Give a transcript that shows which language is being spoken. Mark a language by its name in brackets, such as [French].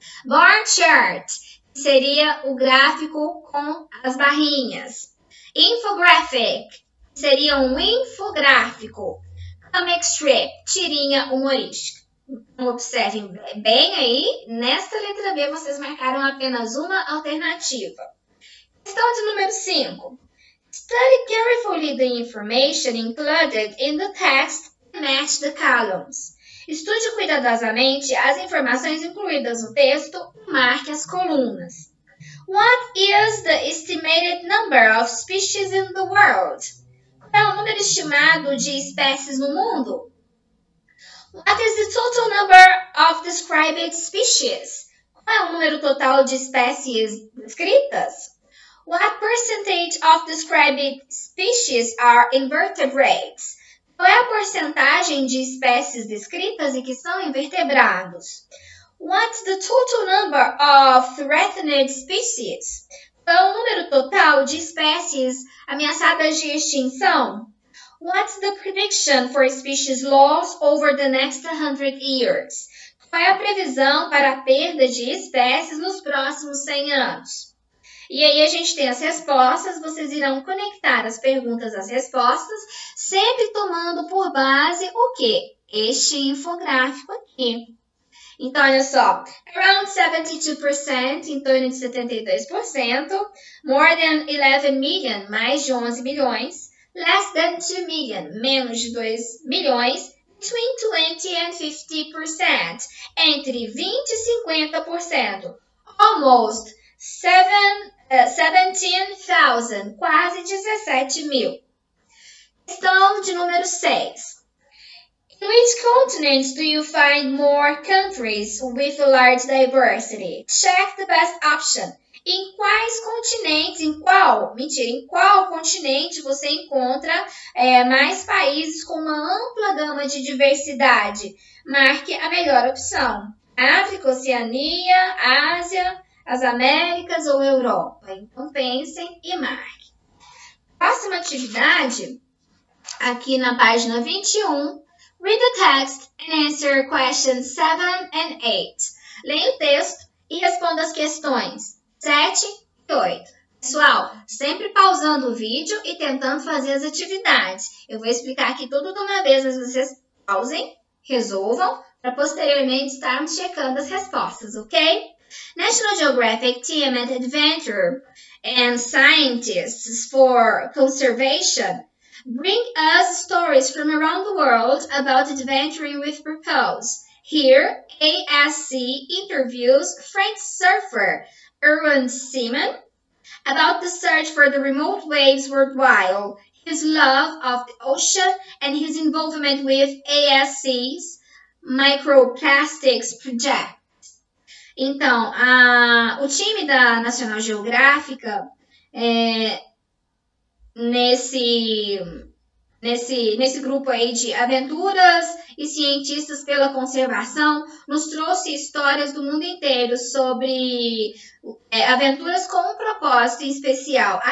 [Portuguese] Bar chart, seria o gráfico com as barrinhas. Infographic, seria um infográfico. Comic strip, tirinha humorística. Então, observem bem aí, nesta letra B vocês marcaram apenas uma alternativa. Questão de número 5. [English] Study carefully the information included in the text and match the columns. [Portuguese] Estude cuidadosamente as informações incluídas no texto e marque as colunas. [English] What is the estimated number of species in the world? [Portuguese] Qual é o número estimado de espécies no mundo? [English] What is the total number of described species? [Portuguese] Qual é o número total de espécies descritas? [English] What percentage of described species are invertebrates? [Portuguese] Qual é a porcentagem de espécies descritas e que são invertebrados? [English] What's the total number of threatened species? [Portuguese] Qual é o número total de espécies ameaçadas de extinção? [English] What's the prediction for species loss over the next 100 years? [Portuguese] Qual é a previsão para a perda de espécies nos próximos 100 anos? E aí a gente tem as respostas, vocês irão conectar as perguntas às respostas, sempre tomando por base o quê? Este infográfico aqui. Então, olha só, [English] around 72%, [Portuguese] em torno de 72%, [English] more than 11 million, [Portuguese] mais de 11 milhões, [English] less than 2 million, [Portuguese] menos de 2 milhões, [English] between 20 and 50%, [Portuguese] entre 20 e 50%, [English] almost 17,000, [Portuguese] quase 17 mil. Questão de número 6. [English] In which continent do you find more countries with large diversity? Check the best option. [Portuguese] Em quais continentes, em qual, mentira, em qual continente você encontra mais países com uma ampla gama de diversidade? Marque a melhor opção. África, Oceania, Ásia, as Américas ou Europa? Então, pensem e marque. Próxima atividade, aqui na página 21, [English] read the text and answer questions 7 and 8. [Portuguese] Leia o texto e responda as questões 7 e 8. Pessoal, sempre pausando o vídeo e tentando fazer as atividades. Eu vou explicar aqui tudo de uma vez, mas vocês pausem, resolvam, para posteriormente estarmos checando as respostas, ok? [English] National Geographic Team and Adventure and Scientists for Conservation bring us stories from around the world about adventuring with purpose. Here, ASC interviews French surfer Erwin Seaman about the search for the remote waves worldwide, his love of the ocean, and his involvement with ASC's Microplastics Project. [Portuguese] Então, o time da National Geográfica, nesse grupo aí de aventuras e cientistas pela conservação, nos trouxe histórias do mundo inteiro sobre aventuras com um propósito em especial.